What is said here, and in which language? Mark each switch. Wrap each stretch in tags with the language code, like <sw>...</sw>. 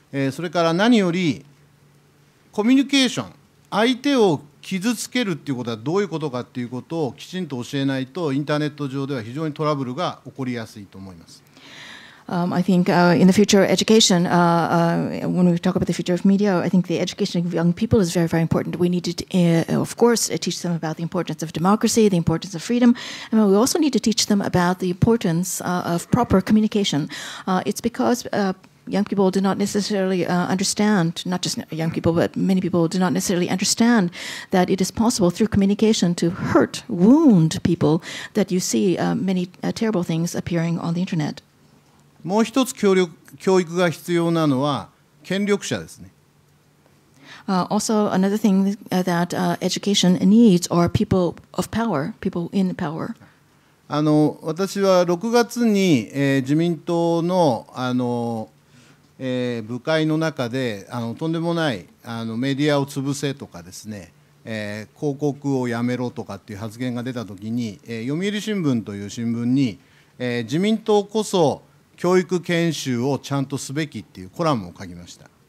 <ja>それから何よりコミュニケーション、相手を傷つけるということはどういうことかということをきちんと教えないと、インターネット上では非常にトラブルが起こりやすいと思います。</ja> <en>I think in the future education, when we talk about the future of media, I think the education of young people is very, very important. We need to, of course, teach them about the importance of democracy, the importance of freedom, and we also need to teach them about the importance of proper communication. It's because young people do not necessarily understand, not just young people, but many people do not necessarily understand that it is possible through communication to hurt, wound people, that you see many terrible things appearing on the internet.</en> <ja>もう一つ教育が必要なのは権力者ですね。</ja> <en>Also another thing that education needs are people of power, people in power.</en> <ja>私は6月に、自民党 の, 部会の中でとんでもないメディアを潰せとかですね、広告をやめろとかっていう発言が出たときに、読売新聞という新聞に、自民党こそ教育研修をちゃんとすべきっていうコラムを書きました。</ja>